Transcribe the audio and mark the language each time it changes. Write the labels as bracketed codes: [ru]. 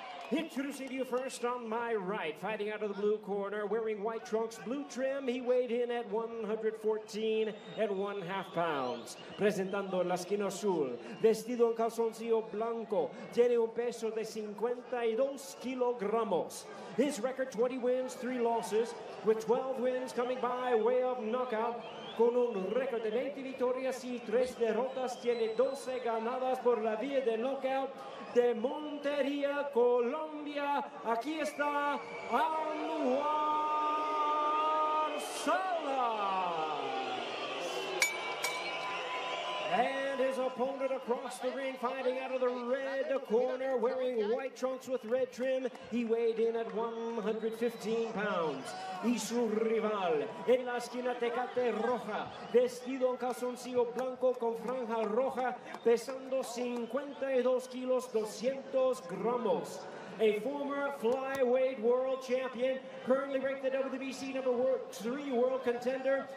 [en] Introducing you first on my right, fighting out of the blue corner, wearing white trunks, blue trim, he weighed in at 114 and 1.5 pounds. [es] Presentando la esquina azul, vestido en calzoncillo blanco, tiene un peso de 52 kilogramos. [en] His record 20 wins, 3 losses, with 12 wins coming by way of knockout. [es] Con un récord de 20 victorias y 3 derrotas, tiene 12 ganadas por la vía de knockout de Montería, Colombia. Aquí está Anuar Salas. [en] And his opponent across the ring, fighting out of the red corner, wearing white trunks with red trim. He weighed in at 115 pounds. [es] Y su rival en la esquina Tecate Roja, vestido en calzoncillo blanco con franja roja, pesando 52 kilos 200 gramos. [en] A former flyweight world champion, currently ranked the WBC number 3 world contender.